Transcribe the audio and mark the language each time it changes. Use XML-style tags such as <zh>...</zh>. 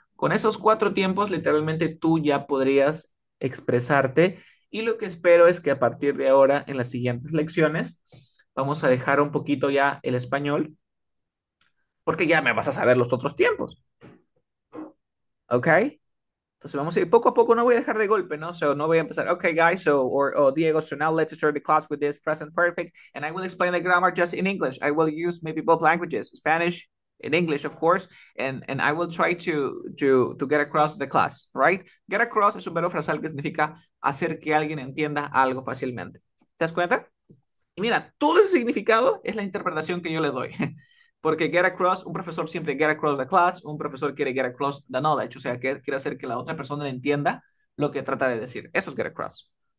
<es>Con esos cuatro tiempos, literalmente tú ya podrías expresarte. Y lo que espero es que a partir de ahora, en las siguientes lecciones, vamos a dejar un poquito ya el español. Porque ya me vas a saber los otros tiempos. ¿Ok? Entonces vamos a ir poco a poco. No voy a dejar de golpe, ¿no? So no voy a empezar. Ok, guys.</es> <en>Diego, so now let's start the class with this present perfect. And I will explain the grammar just in English. I will use maybe both languages, Spanish and English, of course. And I will try to get across the class, right?</en> <es>Get across es un verbo frasal que significa hacer que alguien entienda algo fácilmente. ¿Te das cuenta? Y mira, todo ese significado es la interpretación que yo le doy. Porque get across, un profesor siempre</es> <en>get across the class,</en> <es>un profesor quiere</es> <en>get across the knowledge,</en> <es>o sea, que quiere hacer que la otra persona entienda lo que trata de decir. Eso es get across.</es>